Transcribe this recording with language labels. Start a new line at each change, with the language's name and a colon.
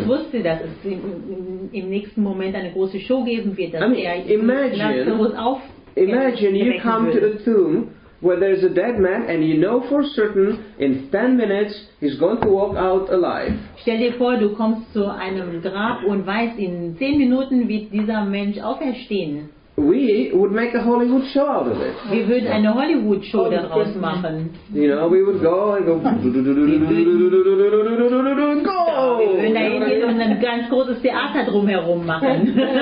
German: Jesus wusste, dass es im nächsten Moment eine große Show geben wird, dass
English: Imagine you come to the tomb where there's a dead man, and you know for certain in 10 minutes he's going to walk out alive.
German: Stell dir vor, du kommst zu einem Grab und weißt, in 10 Minuten wird dieser Mensch auferstehen.
English: We would make a Hollywood show out of it.
German: Wir würden eine Hollywood show daraus machen.
English: You know, we would go and go. Go!
German: Wir würden da hingehen und ein ganz großes Theater drumherum machen.